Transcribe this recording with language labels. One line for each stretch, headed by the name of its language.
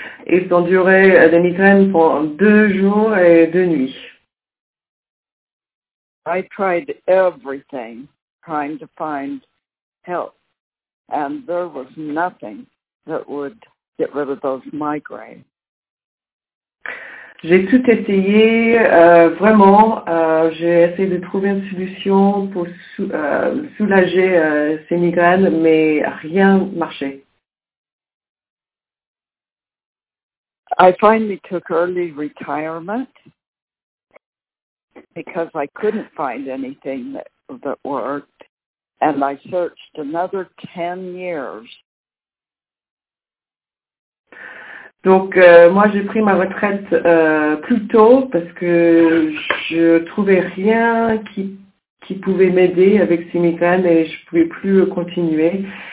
French: Ils ont duré des migraines pendant 2 jours et 2 nuits.
English: I tried everything, trying to find help, and there was nothing that would get rid of those migraines.
French: J'ai tout essayé, vraiment, j'ai essayé de trouver une solution pour soulager ces migraines, mais rien marchait.
English: I finally took early retirement because I couldn't find anything that worked, and I searched another 10 years.
French: Donc, moi, j'ai pris ma retraite plus tôt parce que je trouvais rien qui pouvait m'aider avec ces migraines et je pouvais plus continuer.